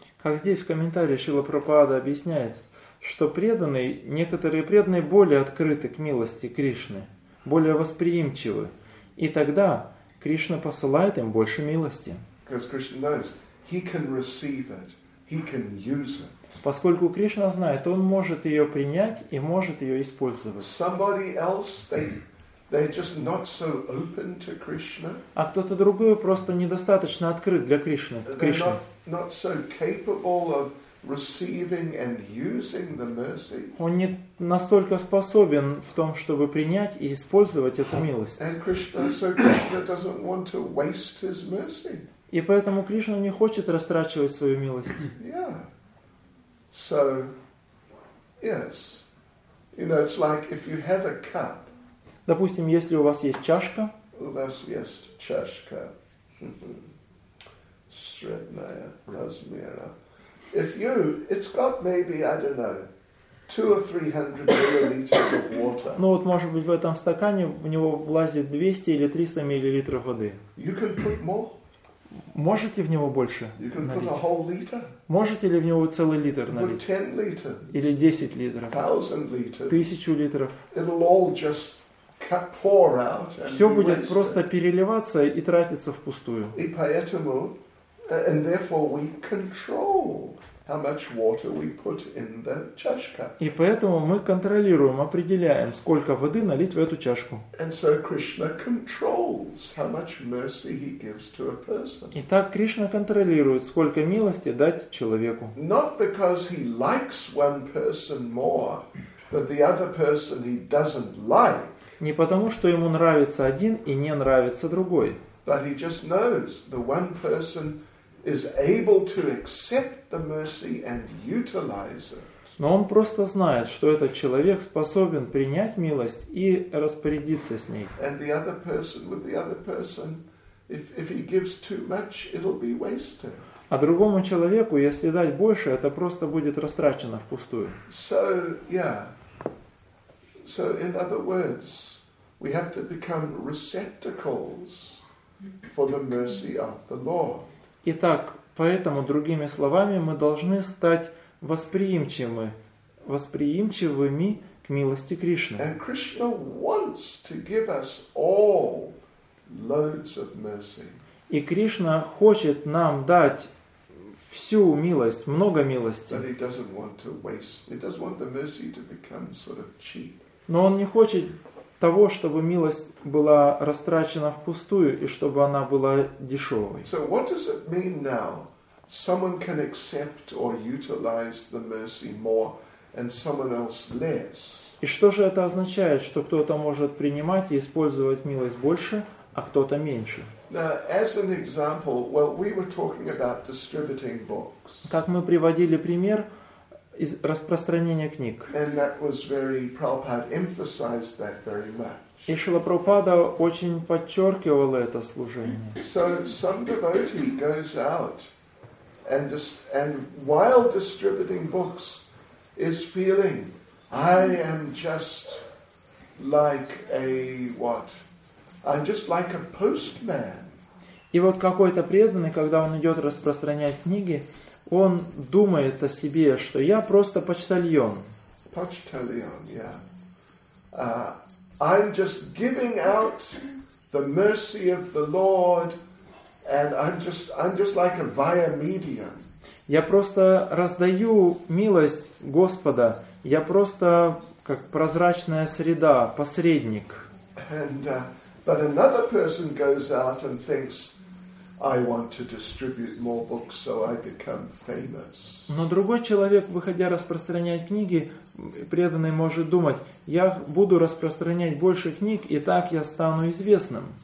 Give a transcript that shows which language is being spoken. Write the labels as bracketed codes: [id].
[ru] Как здесь в комментарии Шрила Прабхупада объясняет, что некоторые преданные более открыты к милости Кришны, более восприимчивы, и тогда Кришна посылает им больше милости. [en] He can receive it. He can use it. [ru] Поскольку Кришна знает, он может ее принять и может ее использовать. [en] Somebody else, they're just not so open to Krishna. [ru] А кто-то другой просто недостаточно открыт для Кришны. [en] They're not so capable of receiving and using the mercy. [ru] Он не настолько способен в том, чтобы принять и использовать эту милость. [en] And Krishna doesn't want to waste his mercy. [ru] И поэтому Кришна не хочет растрачивать свою милость. [en] Yeah. So, yes. You know, it's like if you have a cup. [ru] Допустим, если у вас есть чашка. У вас есть чашка. Средняя размера. [en] If you, it's got maybe, I don't know, 200 or 300 milliliters of water. [ru] Ну вот, может быть, в этом стакане в него влазит 200 или 300 миллилитров воды. [en] You can put more. [ru] Можете в него больше налить? Можете ли в него целый литр налить? [en] 10 liters, [ru] или 10 литров? [en] 1000 liters, [ru] 1000 литров? [en] It'll all just pour out and [ru] все будет просто переливаться и тратиться впустую. И поэтому, [en] and therefore we control how much water we put in the чашка. [ru] И поэтому мы контролируем, определяем, сколько воды налить в эту чашку. [en] And so Krishna controls how much mercy he gives to a person. [ru] Итак, Кришна контролирует, сколько милости дать человеку. [en] Not because he likes one person more, but the other person he doesn't like. [ru] Не потому, что ему нравится один и не нравится другой. [en] But he just knows the one person is able to accept the mercy and utilize it. [ru] Но он просто знает, что этот человек способен принять милость и распорядиться с ней. [en] And the other person with the other person, if he gives too much, it'll be wasted. [ru] А другому человеку, если дать больше, это просто будет растрачено впустую. [en] So, yeah. So, in other words, we have to become receptacles for the mercy of the Lord. [ru] Итак, поэтому, другими словами, мы должны стать восприимчивыми к милости Кришны. [en] And Krishna wants to give us all loads of mercy. [ru] И Кришна хочет нам дать всю милость, много милости. [en] But he doesn't want to waste. He doesn't want the mercy to become sort of cheap. [ru] Но он не хочет того, чтобы милость была растрачена впустую и чтобы она была дешевой. [en] So what does it mean now? Someone can accept or utilize the mercy more, and someone else less. [ru] И что же это означает, что кто-то может принимать и использовать милость больше, а кто-то меньше? [en] Now, as an example, well, we were talking about distributing books. [ru] Как мы приводили пример из распространения книг. [en] And that was very, Prabhupada emphasized that very much. [ru] И Шрила Прабхупада очень подчеркивал это служение. [en] So some devotee goes out and while distributing books is feeling, I am just like a what? I'm just like a postman. [ru] И вот какой-то преданный, когда он идет распространять книги, он думает о себе, что я просто почтальон. Почтальон, yeah. [en] I'm just giving out the mercy of the Lord, and I'm just like a via medium. [ru] Я просто раздаю милость Господа. Я просто как прозрачная среда, посредник. [en] And but another person goes out and thinks, I want to distribute more books so I become famous. [ru] Но другой человек, выходя распространять книги, преданный может думать, я буду распространять больше книг, и так я стану известным.